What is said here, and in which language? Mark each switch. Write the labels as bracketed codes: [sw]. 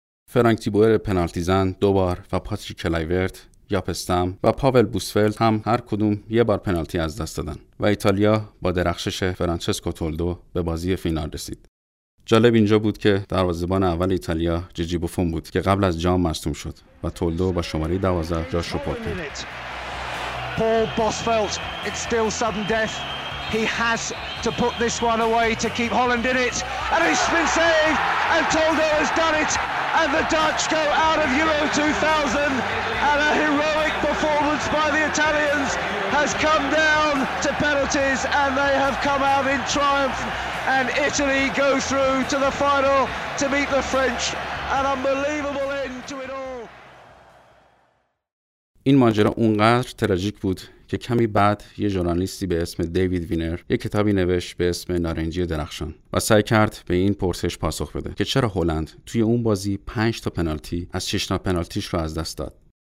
[fa] فرانک تیبور پنالتی زن دوبار و پاتریک کلایورت، یاپ استام و پاول بوسفلد هم هر کدوم یه بار پنالتی از دست دادن و ایتالیا با درخشش فرانچسکو تولدو به بازی فینال رسید. جالب اینجا بود که دروازه‌بان اول ایتالیا جیجی بوفون بود که قبل از جام مصدوم شد و تولدو با شماره 12 جاش رو پر کرد. [en] Paul Bosvelt, it's still sudden death. He has to put this one away to keep Holland in it. And it's been saved. And Tolder has done it. And the Dutch go out of Euro 2000. And a heroic performance by the Italians has come down to penalties. And they have come out in triumph. And Italy go through to the final to meet the French. An unbelievable end to it all. [fa] این ماجرا اونقدر تراژیک بود که کمی بعد یه ژورنالیستی به اسم دیوید وینر یه کتابی نوشت به اسم نارنجی درخشان و سعی کرد به این پرسش پاسخ بده که چرا هلند توی اون بازی 5 تا پنالتی از 6 تا پنالتیش رو از دست داد.